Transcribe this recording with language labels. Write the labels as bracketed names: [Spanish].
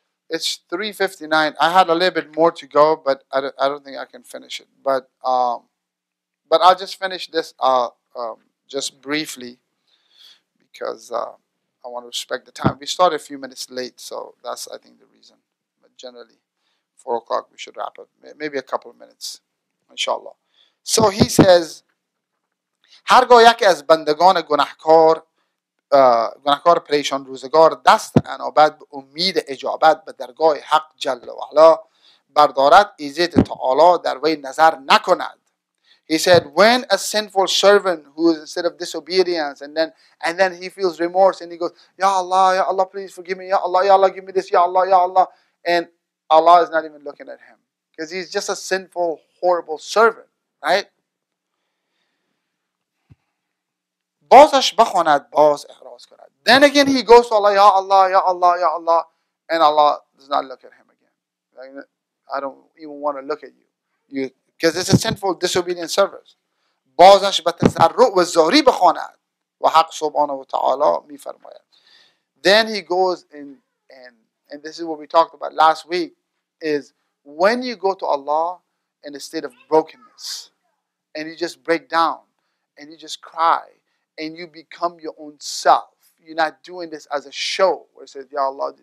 [English] It's 3:59. I had a little bit more to go, but I don't think I can finish it. But I'll just finish this just briefly because I want to respect the time. We started a few minutes late, so that's, I think, the reason. But generally, 4 o'clock, we should wrap up. Maybe a couple of minutes, inshallah. So he says, [Persian] هر گاه یک از بندگان گناهکار گناهکار پریشان روزگار دست انابت به امید اجابت به درگاه حق جل و علا بردارد ایزد تعالی در وی نظر نکند. [English] He said, when a sinful servant who is instead of disobedience and then he feels remorse and he goes, Ya Allah, please forgive me. Ya Allah, give me this. Ya Allah. And Allah is not even looking at him because he's just a sinful, horrible servant, right? [Persian] بازش بخواند باز احراز کند. [English] Then again he goes to Allah, Ya Allah, Ya Allah, Ya Allah. And Allah does not look at him again. Like, I don't even want to look at you. Because it's a sinful, disobedient service. [Persian] بازش به تضرع و زاری بخواند. و حق سبحانه و تعالی می فرماید. [English] Then he goes and this is what we talked about last week. Is when you go to Allah in a state of brokenness. And you just break down. And you just cry. And you become your own self. You're not doing this as a show where it says, Ya Allah.